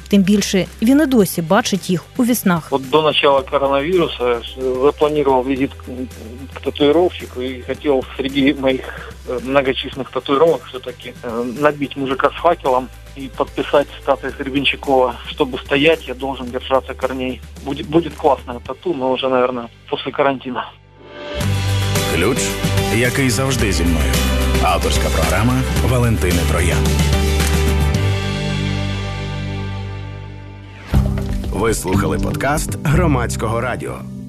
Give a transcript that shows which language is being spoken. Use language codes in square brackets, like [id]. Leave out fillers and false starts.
[uk] Тим більше, він і досі бачить їх у віснах. От до початку коронавірусу запланував візит к татуїровщику і хотів серед моїх многочисленних татуїровок все-таки набити мужика з факелом і підписати статус Гребенщикова. Щоб стояти, [ru] я должен держаться корней. [uk] Буде класна тату, але вже, мабуть, після карантину. Ключ, який завжди зі мною. Авторська програма Валентини Троян. Ви слухали подкаст Громадського радіо.